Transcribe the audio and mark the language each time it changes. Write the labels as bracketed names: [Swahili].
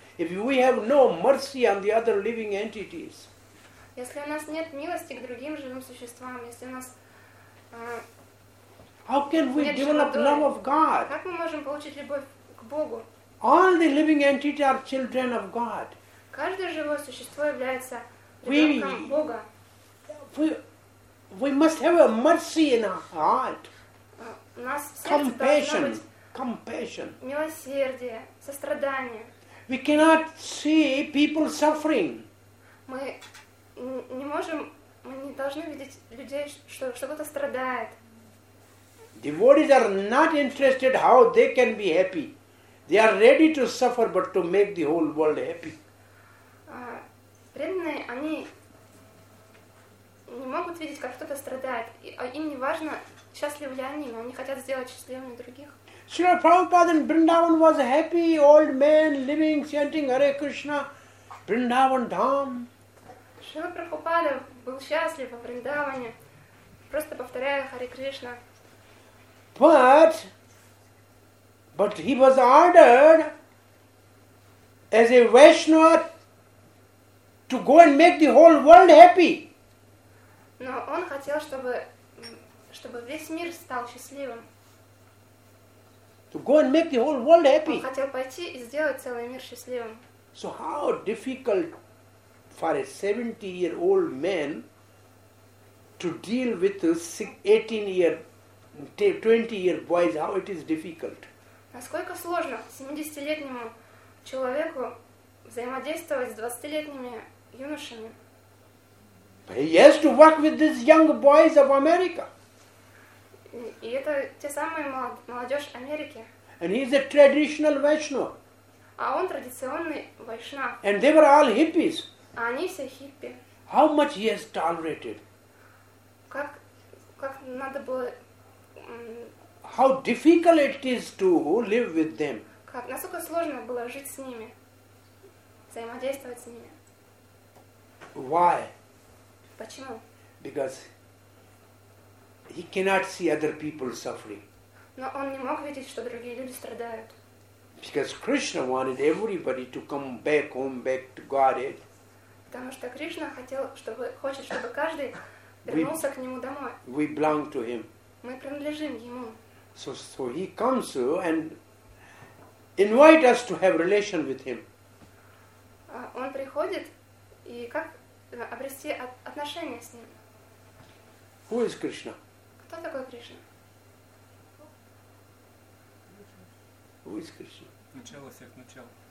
[English] If we have no mercy on the other living entities. [Russian] Если у нас нет милости к другим живым существам, если у нас [English] how can we develop love of God? [Russian] Как мы можем получить любовь к Богу? [English] All the living entities are children of God. [Russian] Каждое живое существо является ребенком Бога. [English] We must have a mercy in our heart. [Russian] У нас [English] compassion, compassion. [Russian] Милосердие, сострадание. [English] We cannot see people suffering. [Russian] Мы не можем, мы не должны видеть людей, что кто-то страдает. [English] Devotees are not interested how they can be happy. They are ready to suffer, but to make the whole world happy. [Russian] Преданные, они не могут видеть, как кто-то страдает. Им не важно, счастливы ли они, но они хотят сделать счастливыми других. [English] Srila Prabhupada in Vrindavan was a happy old man living, chanting Hare Krishna, Vrindavan Dham. [Russian] Srila Prabhupada был счастлив во Вриндаване, просто повторяя Hare Krishna. [English] But he was ordered as a Vaishnava to go and make the whole world happy. [Russian] Но он хотел, чтобы весь мир стал счастливым. [English] To go and make the whole world happy. [Russian] Он хотел пойти и сделать целый мир счастливым. [English] So how difficult for a 70-year-old man to deal with 20-year boys, how it is difficult. [Russian] Насколько сложно 70-летнему человеку взаимодействовать с 20-летними юношами? [English] He has to work with these young boys of America. [Russian] И это те самые молодежь Америки. [English] And he is a traditional Vaishnava. [Russian] А он традиционный Вайшнав. [English] And they were all hippies. [Russian] А они все хиппи. [English] How much he has tolerated? [Russian] Как надо было... [English] How difficult it is to live with them. [Russian] Как, насколько сложно было жить с ними, взаимодействовать с ними. [English] Why? [Russian] Почему? [English] Because he cannot see other people suffering. [Russian] Но он не мог видеть, что другие люди страдают. [English] Because Krishna wanted everybody to come back home, back to Godhead. [Russian] Потому что Кришна хочет, чтобы каждый вернулся к нему домой. [English] We belong to him. [Russian] Мы принадлежим ему. [English] So he comes to and invite us to have relation with him. [Russian] Он приходит и как обрести отношения с ним? [English] Who is Krishna? [Russian] Кто такой Кришна? [English] Who is Krishna? [Russian] Начало всех начал.